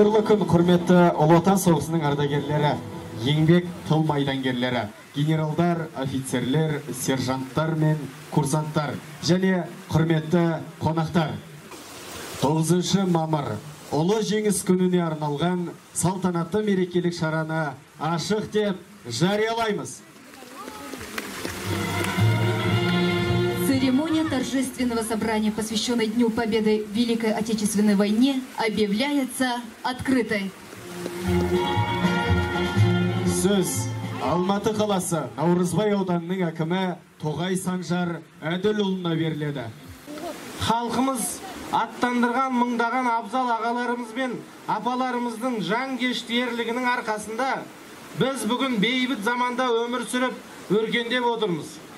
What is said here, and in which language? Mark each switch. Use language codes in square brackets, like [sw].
[kk] Бүгін құрметті Ұлы Отан соғысының ардагерлері, еңбек тыл майдангерлері, генералдар, офицерлер, сержанттар мен курсанттар, және құрметті қонақтар. 9 мамыр Ұлы Жеңіс күніне арналған салтанатты мерекелік шараны ашық деп жариялаймыз. [ru] Церемония торжественного собрания, посвященной Дню Победы в Великой Отечественной войне, объявляется открытой. [kk] Сөз Алматы қаласы Наурызбай ауданының әкімі Тоғай Санжар Әділұлына беріледі. Халқымыз аттандырған мыңдаған абзал ағаларымыз бен апаларымыздың жан кешті ерлігінің арқасында біз бүгін бейбіт заманда өмір сүріп өркендеп отырмыз.